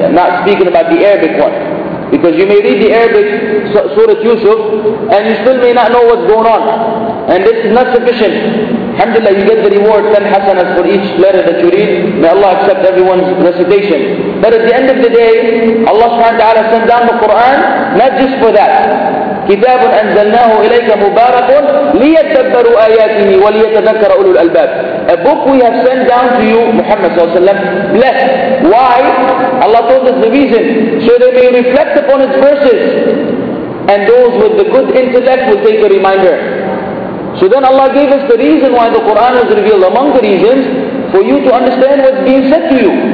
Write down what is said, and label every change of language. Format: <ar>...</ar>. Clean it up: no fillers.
<en>I'm not speaking about the Arabic one. Because you may read the Arabic Surah Yusuf and you still may not know what's going on. And this is not sufficient. Alhamdulillah, you get the reward 10 hasanas for each letter that you read. May Allah accept everyone's recitation. But at the end of the day, Allah subhanahu wa ta'ala sent down the Quran, not just for that.</en> <ar>كتاب أنزلناه إليك مبارك ليتدبروا آياته وليتذكر أولو الألباب.</ar> <en>A book we have sent down to you, Muhammad sallallahu alaihi wasallam, blessed. Why? Allah told us the reason. So they may reflect upon its verses, and those with the good intellect will take a reminder. So then Allah gave us the reason why the Quran was revealed, among the reasons, for you to understand what's being said to you.</en>